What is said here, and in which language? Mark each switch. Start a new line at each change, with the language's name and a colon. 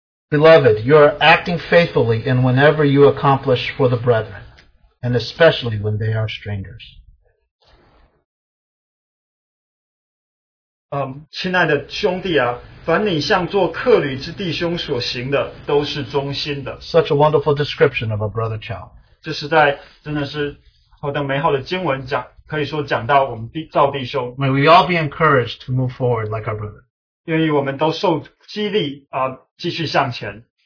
English: Beloved, you are acting faithfully in whenever you accomplish for the brethren, and especially when they are strangers.
Chinese: 亲爱的兄弟啊，凡你向做客旅之弟兄所行的，都是忠心的。
English: Such a wonderful description of a brother Chow.
Chinese: 这实在真的是好的美好的经文讲，可以说讲到我们造弟兄。
English: May we all be encouraged to move forward like our brother.
Chinese: 愿意我们都受激励啊，继续向前。